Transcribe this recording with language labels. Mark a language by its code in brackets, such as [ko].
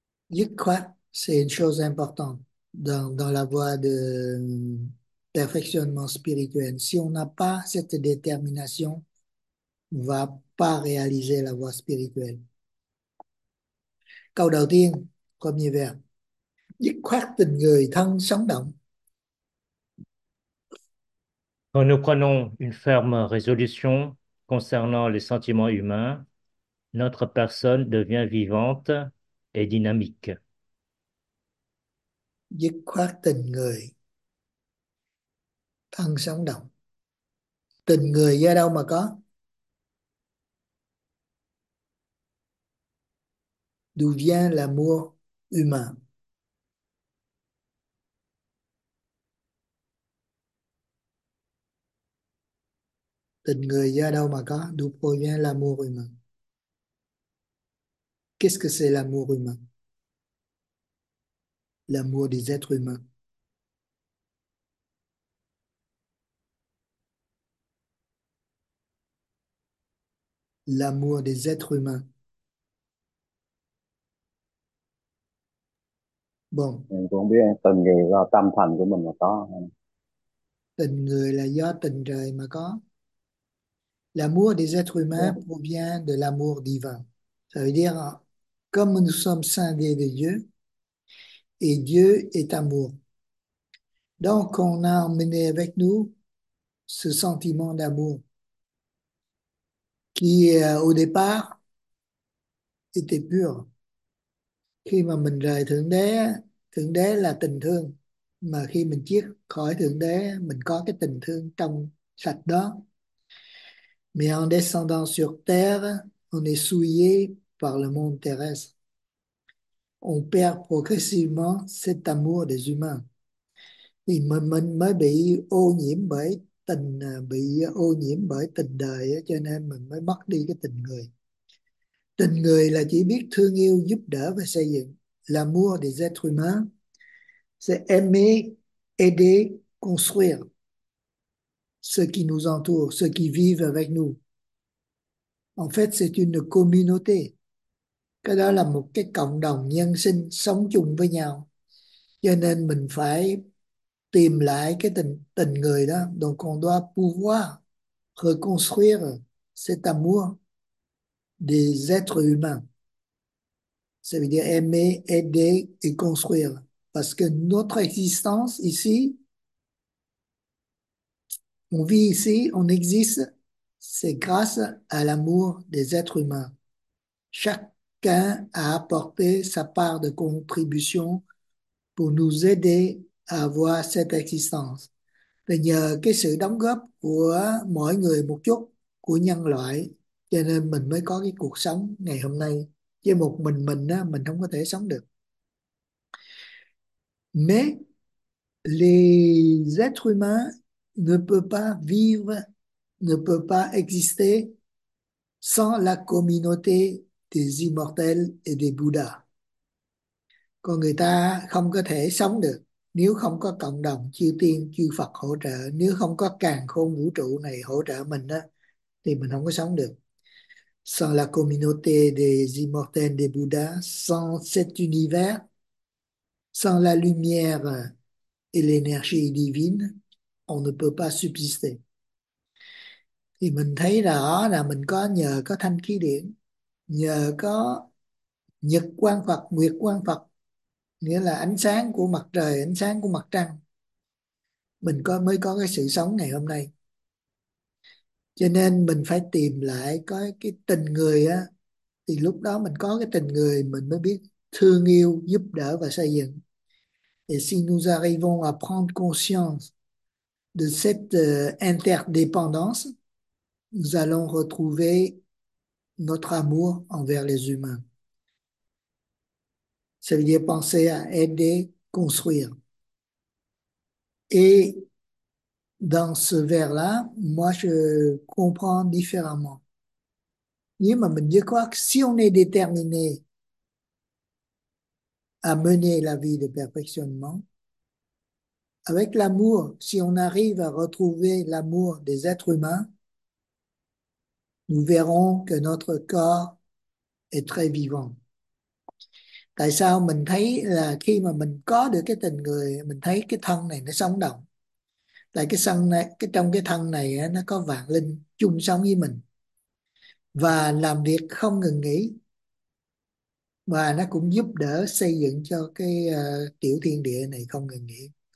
[fr] Je crois. C'est une chose importante dans la voie de perfectionnement spirituel. Si on n'a pas cette détermination, on ne va pas réaliser la voie spirituelle. [vi] Câu đầu tiên, [fr] premier vers. [vi] Dứt khoát tình người thân sống động. [fr] Quand nous prenons une ferme résolution concernant les sentiments humains, notre personne devient vivante et dynamique. [vi] Dứt khoát tình người thân sống động. Tình người ra đâu mà có? [fr] D'où vient l'amour humain? [vi] Tình người ra đâu mà có? [fr] D'où provient l'amour humain? Qu'est-ce que c'est l'amour humain? L'amour des êtres humains. L'amour des êtres humains. Bon. [vi] Mình cũng không biết tình người do tâm thành của mình mà có không? Tình người là do tình trời mà có. [fr] L'amour des êtres humains provient de l'amour divin. Ça veut dire, comme nous sommes scindés de Dieu, et Dieu est amour. Donc, on a emmené avec nous ce sentiment d'amour qui au départ était pur. [vi] Khi mà mình rời Thượng Đế là tình thương, mà khi mình chiết khỏi Thượng Đế, mình có cái tình thương trong sạch đó. [fr] Mais en descendant sur terre, on est souillé par le monde terrestre. On perd progressivement cet amour des humains. [vi] Thì mình mới bị ô nhiễm bởi tình, bị ô nhiễm bởi tình đời, cho nên mình mới mất đi cái tình người. Tình người là chỉ biết thương yêu, giúp đỡ và xây dựng. [fr] L'amour des êtres humains, c'est aimer, aider, construire ceux qui nous entourent, ceux qui vivent avec nous. En fait, c'est une communauté. [vi] Cái đó là một cái cộng đồng nhân sinh sống chung với nhau. Cho nên mình phải tìm lại cái tình tình người đó. [fr] Donc on doit pouvoir reconstruire cet amour des êtres humains. Ça veut dire aimer, aider et construire. Parce que notre existence ici, on vit ici, on existe, c'est grâce à l'amour des êtres humains. Chacun a apporté sa part de contribution pour nous aider à avoir cette existence. [vi] Et nhờ cái sự đóng góp của mỗi người một chút, của nhân loại, cho nên mình mới có cái cuộc sống ngày hôm nay. Chứ một mình á, mình không có thể sống được. [fr] Mais les êtres humains ne peuvent pas vivre, ne peuvent pas exister sans la communauté des immortels et des Bouddhas. [vi] Còn người ta không có thể sống được nếu không có cộng đồng chư tiên, chư Phật hỗ trợ, nếu không có càn khôn vũ trụ này hỗ trợ mình đó, thì mình không có sống được. [fr] Sans la communauté des immortels et des Bouddhas, sans cet univers, sans la lumière et l'énergie divine, on ne peut pas subsister. [vi] Thì mình thấy rõ là mình có nhờ có thanh khí điển, nhờ có nhật quang Phật, nguyệt quang Phật, nghĩa là ánh sáng của mặt trời, ánh sáng của mặt trăng, mình có mới có cái sự sống ngày hôm nay. Cho nên mình phải tìm lại có cái tình người á, thì lúc đó mình có cái tình người mình mới biết thương yêu, giúp đỡ và xây dựng. [fr] Et si nous arrivons à prendre conscience de cette interdépendance, nous allons retrouver notre amour envers les humains. Ça veut dire penser à aider, construire. Et dans ce vers-là, moi, je comprends différemment. [vi] Nhưng mà mình [fr] dit quoi? Si on est déterminé à mener la vie de perfectionnement, avec l'amour, si on arrive à retrouver l'amour des êtres humains, nous verrons que notre corps est très vivant. [vi] Tại sao mình thấy là khi mà mình có được cái tình người, mình thấy cái thân này nó sống động. Tại cái thân này, cái trong cái thân này nó có vạn linh chung sống với mình và làm việc không ngừng nghỉ, và nó cũng giúp đỡ xây dựng cho cái tiểu thiên địa này không ngừng nghỉ.